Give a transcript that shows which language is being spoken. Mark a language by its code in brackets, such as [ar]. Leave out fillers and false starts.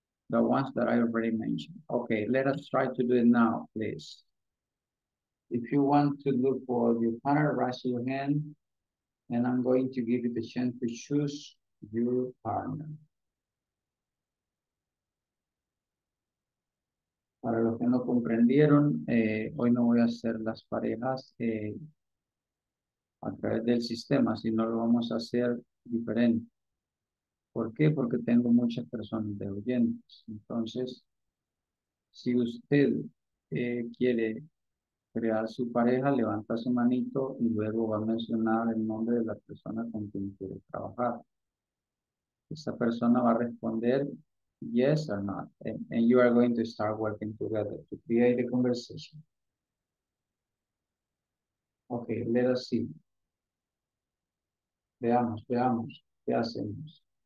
[en] The ones that I already mentioned. Okay, let us try to do it now, please. If you want to look for your partner, raise your hand, and I'm going to give you the chance to choose your partner. [es] Para los que no comprendieron, hoy no voy a hacer las parejas a través del sistema, sino lo vamos a hacer diferente. ¿Por qué? Porque tengo muchas personas de oyentes. Entonces, si usted quiere crear su pareja, levanta su manito y luego va a mencionar el nombre de la persona con quien quiere trabajar. Esa persona va a responder [en] yes or not. And you are going to start working together to create the conversation. Okay, let us see. [es] Veamos. ¿Qué hacemos?